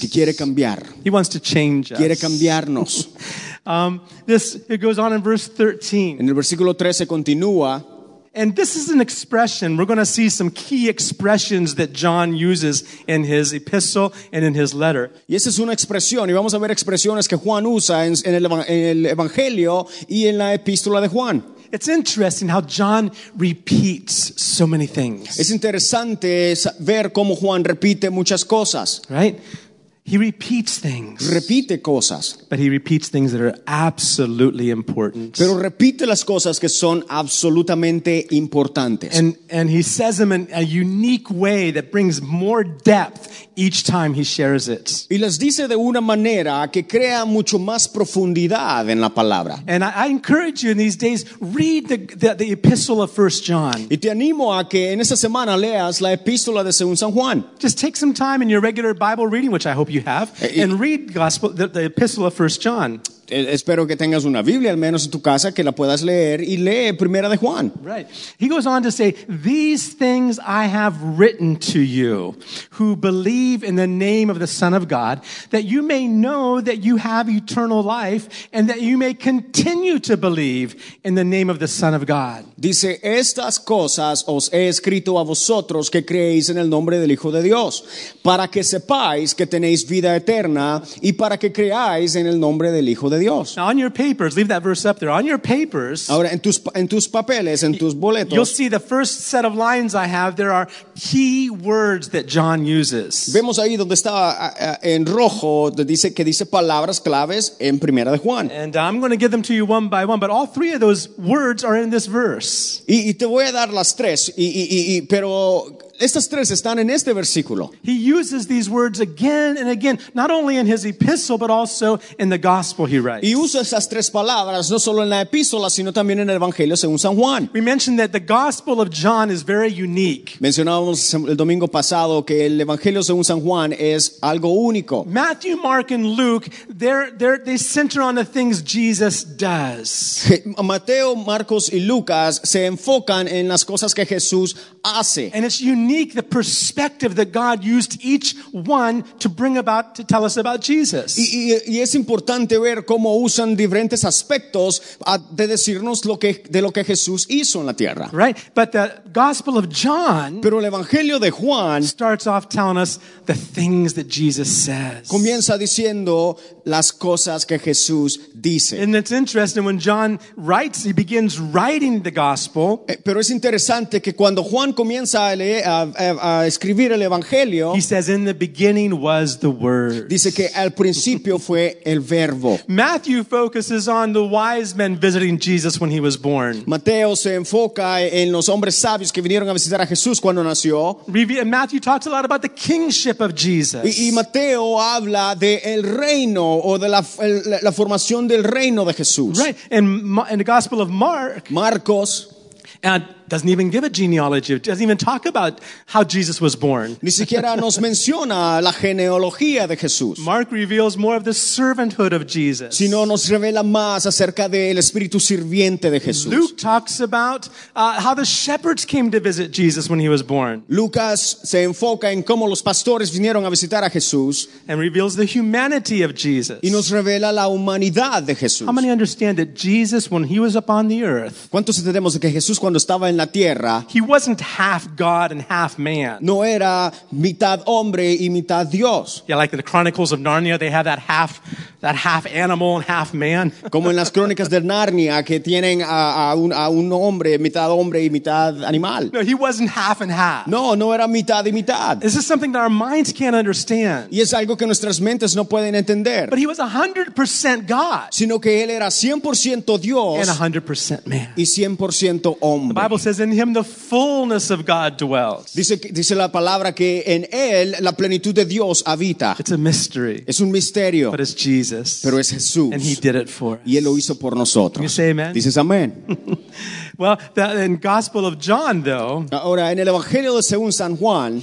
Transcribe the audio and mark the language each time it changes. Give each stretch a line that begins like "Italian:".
Spanish: Que quiere cambiar.
English: He wants to change us.
Spanish: Quiere cambiarnos.
English: This, it goes on in verse 13.
Spanish: En el versículo 13 continúa.
English: And this is an expression. We're going to see some key expressions that John uses in his epistle and in his letter.
Spanish: Y esa es una expresión. Y vamos a ver expresiones que Juan usa en el Evangelio y en la epístola de Juan.
English: It's interesting how John repeats so many things.
Spanish: Es interesante ver cómo Juan repite muchas cosas.
English: Right? He repeats things.
Spanish: Repite cosas.
English: But he repeats things that are absolutely important.
Spanish: Pero repite las cosas que son absolutamente importantes.
English: And he says them in a unique way that brings more depth each time he shares it.
Spanish: Y las dice de una manera que crea mucho más profundidad en la palabra.
English: And I encourage you in these days, read the epistle of 1 John.
Spanish: Y te animo a que en esta semana leas la epístola de Segundo San Juan.
English: Just take some time in your regular Bible reading, which I hope you have, and read gospel, the epistle of 1 John.
Spanish: Espero que tengas una Biblia al menos en tu casa que la puedas leer y lee Primera de Juan.
English: Right. He goes on to say, "These things I have written to you who believe in the name of the Son of God, that you may know that you have eternal life and that you may continue to believe in the name of the Son of God."
Spanish: Dice, "Estas cosas os he escrito a vosotros que creéis en el nombre del Hijo de Dios, para que sepáis que tenéis vida eterna y para que creáis en el nombre del Hijo de Dios."
English: Now on your papers, leave that verse up there. On your papers,
Spanish: ahora en tus papeles, en tus boletos,
English: you'll see the first set of lines I have. There are key words that John uses.
Spanish: Vemos ahí donde está en rojo, dice palabras claves en Primera de Juan.
English: And I'm going to give them to you one by one, but all three of those words are in this verse.
Spanish: Y te voy a dar las tres, pero estas tres están en este versículo.
English: He uses these words again and again, not only in his epistle, but also in the gospel he writes.
Spanish: Y usa esas tres palabras, no solo en la epístola, sino también en el Evangelio según San Juan.
English: We mentioned that the gospel of John is very unique.
Spanish: Mencionábamos el domingo pasado que el Evangelio según San Juan es algo único.
English: Matthew, Mark, and Luke, they center on the things Jesus does.
Spanish: Mateo, Marcos, y Lucas se enfocan en las cosas que Jesús hace.
English: And it's unique, the perspective that God used each one to bring about to tell us about Jesus.
Spanish: Y es importante ver cómo usan diferentes aspectos de decirnos lo que Jesús hizo en la tierra.
English: Right, but the Gospel of John.
Spanish: Pero el Evangelio de Juan
English: starts off telling us the things that Jesus says.
Spanish: Comienza diciendo las cosas que Jesús dice.
English: And it's interesting when John writes, he begins writing the Gospel.
Spanish: Pero es interesante que cuando Juan comienza a leer a escribir el Evangelio,
English: he says, "In the beginning was the Word."
Spanish: Dice que al principio fue el Verbo.
English: Matthew focuses on the wise men visiting Jesus when he was born.
Spanish: Mateo se enfoca en los hombres sabios que vinieron a visitar a Jesús cuando nació.
English: Matthew talks a lot about the kingship of Jesus.
Spanish: Y Mateo habla de el reino o de la formación del reino de Jesús.
English: Right, in the Gospel of Mark.
Spanish: Marcos.
English: And doesn't even give a genealogy. Doesn't even talk about how Jesus was born.
Spanish: Ni siquiera nos menciona la genealogía de Jesús.
English: Mark reveals more of the servanthood of Jesus.
Spanish: Sino nos revela más acerca del espíritu sirviente de Jesús.
English: Luke talks about how the shepherds came to visit Jesus when he was born.
Spanish: Lucas se enfoca en cómo los pastores vinieron a visitar a Jesús.
English: And reveals the humanity of Jesus.
Spanish: Y nos revela la humanidad de Jesús.
English: How many understand that Jesus, when he was upon the earth,
Spanish: ¿cuántos entendemos que Jesús cuando estaba en la tierra,
English: he wasn't half God and half man?
Spanish: No era mitad hombre y mitad Dios.
English: Yeah, like the Chronicles of Narnia, they have that half animal and half man.
Spanish: Como en las Crónicas de Narnia que tienen a un hombre, mitad hombre y mitad animal.
English: No, he wasn't half and half.
Spanish: No era mitad y mitad.
English: This is something that our minds can't understand.
Spanish: Y es algo que nuestras mentes no pueden entender.
English: But he was 100% God.
Spanish: Sino que él era 100% Dios.
English: And 100% man.
Spanish: Y 100% hombre.
English: The Bible says in him the fullness of God dwells.
Spanish: Dice la palabra que en él la plenitud de Dios habita.
English: It's a mystery.
Spanish: Es un misterio.
English: But it's Jesus.
Spanish: Pero es Jesús.
English: And he did it for us.
Spanish: Y él lo hizo por nosotros.
English: You say amen?
Spanish: Dices amén.
English: Well, in Gospel of John, though,
Spanish: ahora, en el Evangelio de según San Juan,